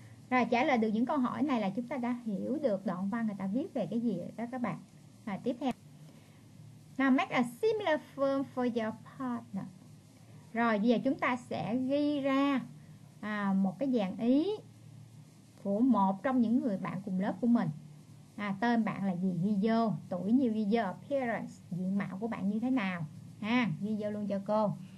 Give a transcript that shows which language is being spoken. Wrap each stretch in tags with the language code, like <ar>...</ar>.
<vi>Rồi trả lời được những câu hỏi này là chúng ta đã hiểu được đoạn văn người ta viết về cái gì đó các bạn. Rồi tiếp theo.</vi> <en>Now make a similar form for your partner.</en> <vi>Rồi bây giờ chúng ta sẽ ghi ra một cái dạng ý của một trong những người bạn cùng lớp của mình. Tên bạn là gì ghi vô, tuổi nhiêu ghi vô, appearance, diện mạo của bạn như thế nào ha, ghi vô luôn cho cô.</vi>